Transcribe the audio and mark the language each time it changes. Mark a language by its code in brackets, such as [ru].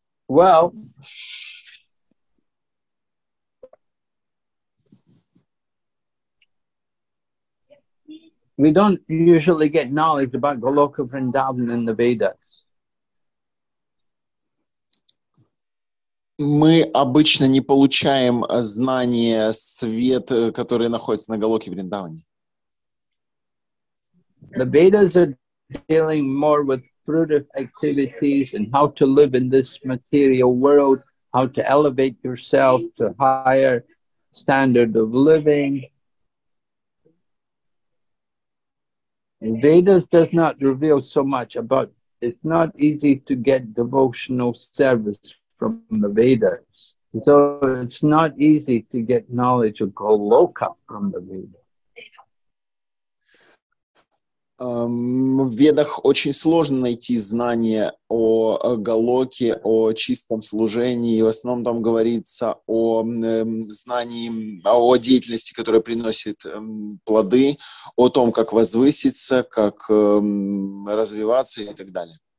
[en] Well, we don't usually get knowledge about Goloka Vrindavan in the Vedas. [ru] Мы обычно не получаем знания свет, который находится на Голоке Вриндаване. [en] The Vedas are dealing more with fruitive activities and how to live in this material world, how to elevate yourself to a higher standard of living. The Vedas does not reveal so much about, it's not easy to get devotional service from the Vedas. So it's not easy to get knowledge of Goloka from the Vedas. [ru] В ведах очень сложно найти знания о Галоке, о чистом служении. В основном там говорится о знании, о деятельности, которая приносит плоды, о том, как возвыситься, как развиваться и так далее.